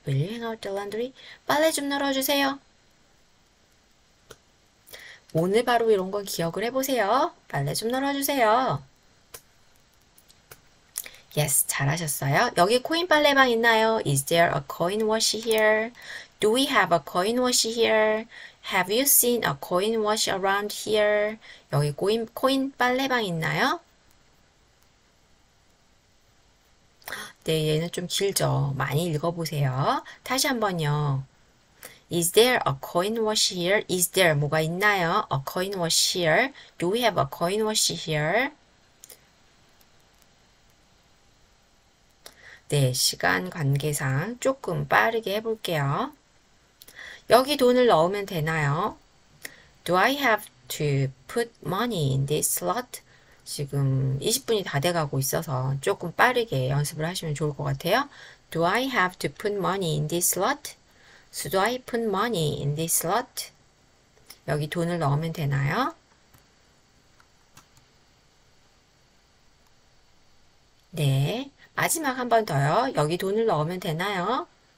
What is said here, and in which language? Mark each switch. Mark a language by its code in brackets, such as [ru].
[en] Will you hang out the laundry? [ko] 빨래 좀 널어주세요. 오늘 바로 이런 거 기억을 해보세요. 빨래 좀 널어주세요. Yes, 잘하셨어요. 여기 코인 빨래방 있나요? [en] Is there a coin wash here? Do we have a coin wash here? Have you seen a coin wash around here? [ko] 여기 코인 빨래방 있나요? 네, 얘는 좀 길죠. 많이 읽어보세요. 다시 한번요. [en] Is there a coin wash here? Is there [ko] 뭐가 있나요? [en] A coin wash here? Do we have a coin wash here? [ko] 네, 시간 관계상 조금 빠르게 해볼게요. 여기 돈을 넣으면 되나요? [en] Do I have to put money in this slot? [ko] 지금 20분이 다 돼가고 있어서 조금 빠르게 연습을 하시면 좋을 것 같아요. [en] Do I have to put money in this slot? Should I put money in this slot? [ko] 여기 돈을 넣으면 되나요? 네. 마지막 한번 더요. 여기 돈을 넣으면 되나요?